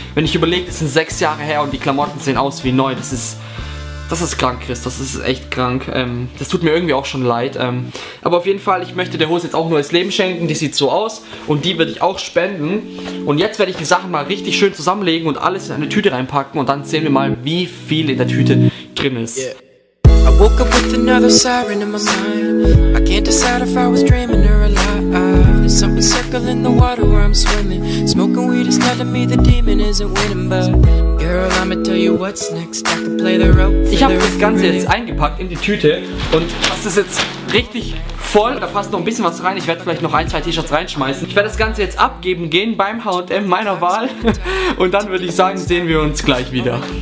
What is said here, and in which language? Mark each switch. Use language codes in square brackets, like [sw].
[de] Wenn ich überlege, das sind 6 Jahre her und die Klamotten sehen aus wie neu. Das ist krank, Chris. Das ist echt krank. Das tut mir irgendwie auch schon leid. Aber auf jeden Fall, ich möchte der Hose jetzt auch neues Leben schenken. Die sieht so aus und die würde ich auch spenden. Und jetzt werde ich die Sachen mal richtig schön zusammenlegen und alles in eine Tüte reinpacken und dann sehen wir mal, wie viel in der Tüte drin ist. [en] Yeah. I woke up with another siren in my mind. I can't decide if I was dreaming or alive. Something circling the water where I'm swimming. Smoking weed is telling me the demon isn't winning, but girl, I'ma tell you what's next. I can play the rope. [de] Ich habe das Ganze jetzt eingepackt in die Tüte und das ist jetzt richtig voll. Da passt noch ein bisschen was rein. Ich werde vielleicht noch 1, 2 T-Shirts reinschmeißen. Ich werde das Ganze jetzt abgeben gehen beim H&M meiner Wahl. Und dann würde ich sagen, sehen wir uns gleich wieder.